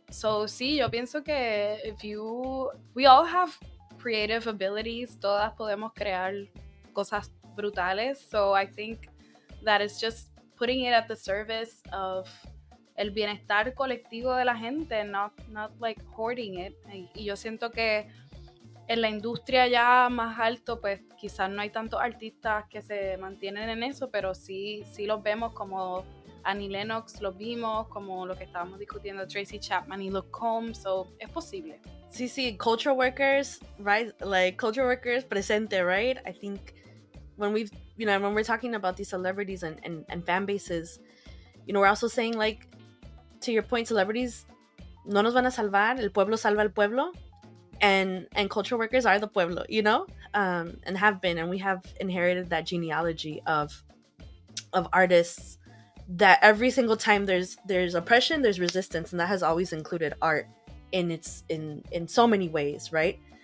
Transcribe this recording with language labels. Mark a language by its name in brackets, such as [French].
[English] So [Spanish] sí, yo pienso que [English] we all have creative abilities. [Spanish] Todas podemos crear cosas brutales. [English] So I think that is just putting it at the service of [Spanish] el bienestar colectivo de la gente, [English] not like hoarding it. [Spanish] Y yo siento que en la industria ya más alto, pues quizás no hay tantos artistas que se mantienen en eso, pero sí los vemos como Annie Lennox, los vimos como lo que estábamos discutiendo, Tracy Chapman y Luke Combs, so es posible. [English] Sí, culture workers, right? Like culture workers presente, right? I think when we're talking about these celebrities and fan bases, you know, we're also saying, like, to your point, celebrities [Spanish] no nos van a salvar, el pueblo salva al pueblo. [English] And cultural workers are the pueblo, you know, and have been, and we have inherited that genealogy of artists that every single time there's oppression, there's resistance, and that has always included art in so many ways, right?